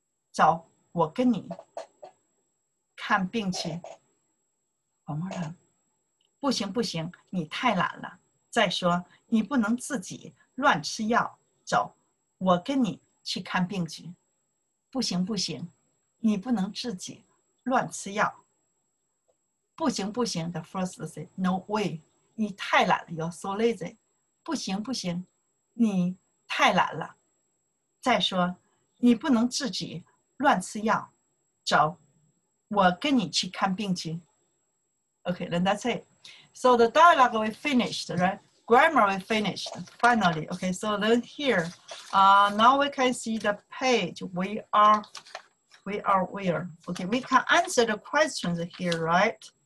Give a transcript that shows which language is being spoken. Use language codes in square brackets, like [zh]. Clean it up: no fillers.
[zh] 走，我跟你看病去。王默然，不行不行，你太懒了。再说，你不能自己乱吃药。走，我跟你去看病去。不行不行，你不能自己乱吃药。不行不行 [en] ，the first say no way， [zh] 你太懒了 [en] ，you're so lazy。 [zh] 不行不行，你太懒了。再说，你不能自己乱吃药。走，我跟你去看病去。 [en] Okay, then that's it. So the dialogue we finished, right? Grammar we finished, finally. Okay, so then here, now we can see the page. We are where? Okay, we can answer the questions here, right?